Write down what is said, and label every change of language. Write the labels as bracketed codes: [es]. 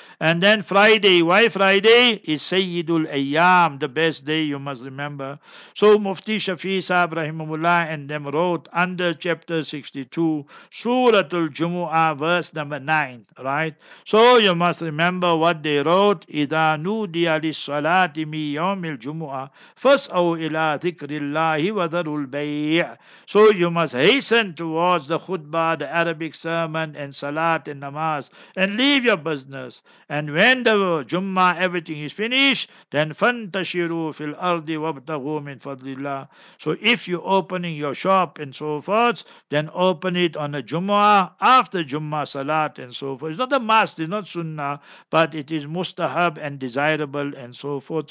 [en] And then Friday, why Friday? Is Sayyidul Ayyam, the best day, you must remember. So Mufti Shafi Sahib Rahimahullah and them wrote under chapter 62, Suratul Jumu'ah, verse number 9, right? So you must remember what they wrote, [ar] إذا نودي للصلاة من يوم الجمعة فاسأو إلى ذكر الله وذروا البيع. [en] So you must hasten towards the khutbah, the Arabic sermon and salat and namaz, and leave your business. And when the Jumma, everything is finished, then [ar] فانتشروا في الأرض وابتغوا من فضل الله. [en] So if you're opening your shop and so forth, then open it on a Jumma, after Jumma salat and so forth. It's not a must, it's not sunnah, but it is mustahab and desirable and so forth.